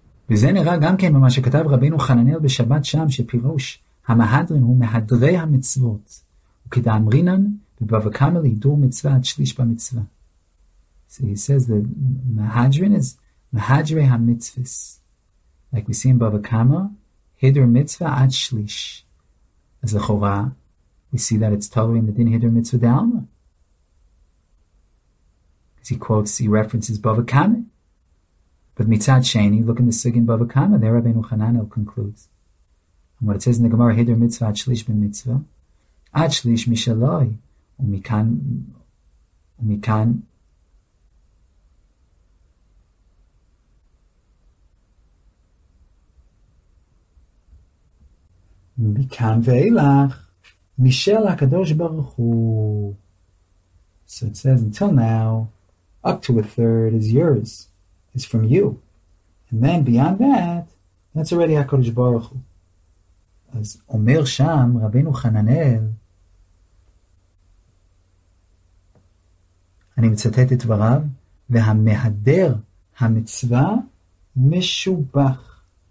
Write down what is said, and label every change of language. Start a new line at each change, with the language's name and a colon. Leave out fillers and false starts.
Hebrew: וזה נראה גם כן ממה שכתב רבינו חננאל בשבת שם, שפירוש המהדרין הוא מהדרי המצוות, וכדאמרינן בבבא קמא להידור מצווה עד שליש במצווה.
English: So he says that mahadrin is mahadre ha-mitzvahs. Like we see in Bava Kama,
Hebrew: hidr mitzvah ad shlish.
English: As the Chorah, we see that it's totally in the din hidr mitzvah d'alma. As he quotes, he references Bava Kama. But mitzad sheni, look in the sig in Bava Kama, there Rabbeinu Chananel concludes. And what it says in the Gemara,
Hebrew: hidr mitzvah ad shlish bin mitzvah, ad shlish mishaloi, umikan, מכאן ואילך, משל הקדוש ברוך הוא.
English: So it says, until now, up to a third is yours, is from you. And then beyond that, that's already הקדוש ברוך הוא.
Hebrew: אז אומר שם רבינו חננאל, אני מצטט את דבריו, והמהדר המצווה משובח.